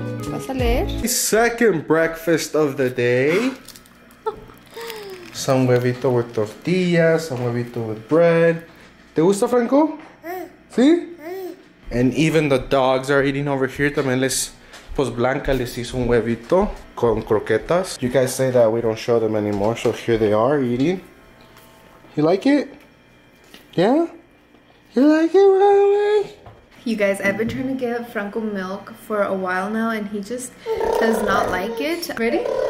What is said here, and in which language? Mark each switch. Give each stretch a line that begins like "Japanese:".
Spanish: ¿Vas a leer?
English: Second breakfast of the day. Some huevito with tortillas, some huevito with bread. ¿Te gusta, Franco? ¿Sí? And even the dogs are eating over here.
Spanish: También les... pues Blanca les hizo un huevito con croquetas.
English: You guys say that we don't show them anymore, so here they are eating. You like it? Yeah? You like it, Riley? You guys, I've been trying to give Franco milk for a while now, and he just does not like it. Ready?